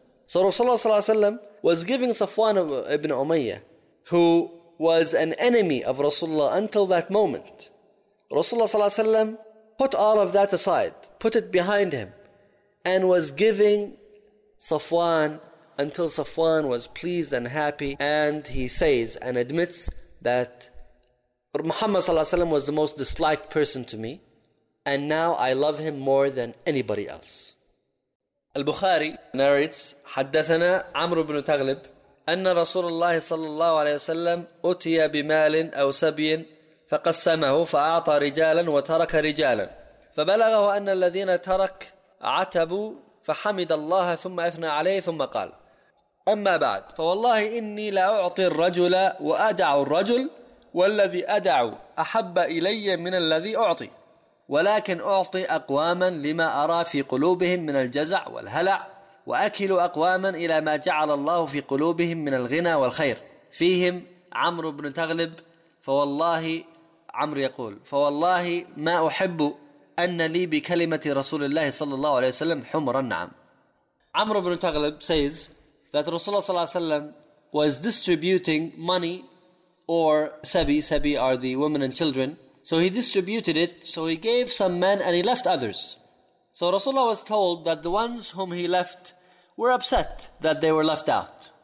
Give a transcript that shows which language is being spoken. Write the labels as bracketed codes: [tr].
[en] So Rasulullah ﷺ was giving Safwan ibn Umayyah, who was an enemy of Rasulullah until that moment, Rasulullah ﷺ put all of that aside, put it behind him, and was giving Safwan until Safwan was pleased and happy. And he says and admits that Muhammad ﷺ was the most disliked person to me, and now I love him more than anybody else. Al-Bukhari narrates, [ar] حدثنا عمر بن تغلب أن رسول الله صلى الله عليه وسلم أتي بمال أو سبي فقسمه فأعطى رجالا وترك رجالا فبلغه أن الذين ترك عتبوا فحمد الله ثم أثنى عليه ثم قال أما بعد فوالله إني لأعطي الرجل وأدع الرجل والذي أدع أحب إلي من الذي أعطي ولكن أعطي أقواما لما أرى في قلوبهم من الجزع والهلع وأكل أقواما إلى ما جعل الله في قلوبهم من الغنى والخير فيهم عمرو بن تغلب فوالله عمرو يقول فوالله ما أحب أن لي بكلمة رسول الله صلى الله عليه وسلم حمر النعم. [en] عمرو بن تغلب says that Rasulullah صلى الله عليه وسلم was distributing money or sabi. Sabi are the women and children. So he distributed it. So he gave some men and he left others. So Rasulullah was told that the ones whom he left were upset that they were left out.